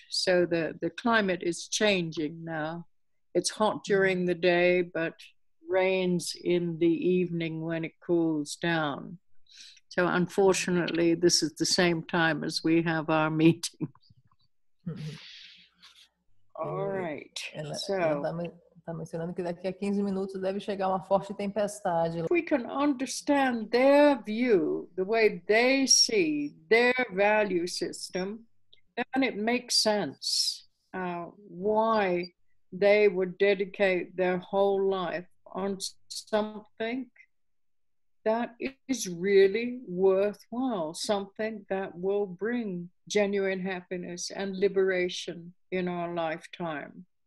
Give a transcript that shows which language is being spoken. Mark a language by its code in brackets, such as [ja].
[en] So the climate is changing now. It's hot during the day, but rains in the evening when it cools down. So unfortunately, this is the same time as we have our meeting. All right. [pt] Está mencionando que daqui a 15 minutos deve chegar uma forte tempestade. [en] If we can understand their view, the way they see their value system, then it makes sense why they would dedicate their whole life on something that is really worthwhile, something that will bring genuine happiness and liberation in our lifetime.